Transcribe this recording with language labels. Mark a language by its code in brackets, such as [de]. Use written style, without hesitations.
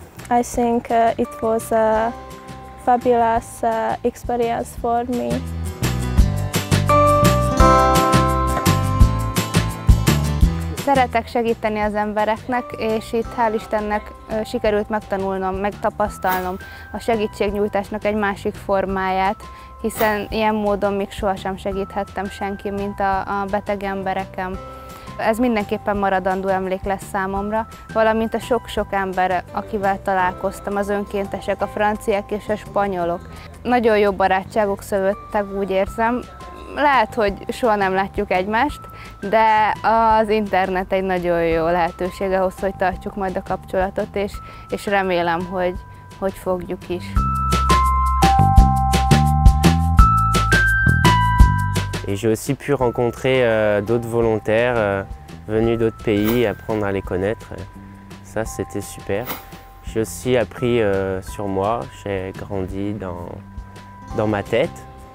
[en] I think it was a fabulous experience for me. [hu] Szeretek segíteni az embereknek, és itt hál' Istennek sikerült megtanulnom, megtapasztalnom a segítségnyújtásnak egy másik formáját, hiszen ilyen módon még sohasem segíthettem senki, mint a beteg embereken. Ez mindenképpen maradandó emlék lesz számomra, valamint a sok-sok ember, akivel találkoztam, az önkéntesek, a franciák és a spanyolok. Nagyon jó barátságok szövődtek, úgy érzem. Lehet, hogy soha nem látjuk egymást, de az internet egy nagyon jó lehetőség ahhoz, hogy tartsuk majd a kapcsolatot, és remélem, hogy fogjuk is. [fr] Et j'ai aussi pu rencontrer d'autres volontaires venus d'autres pays, apprendre à les connaître. Ça, c'était super. J'ai aussi appris sur moi, j'ai grandi dans ma tête.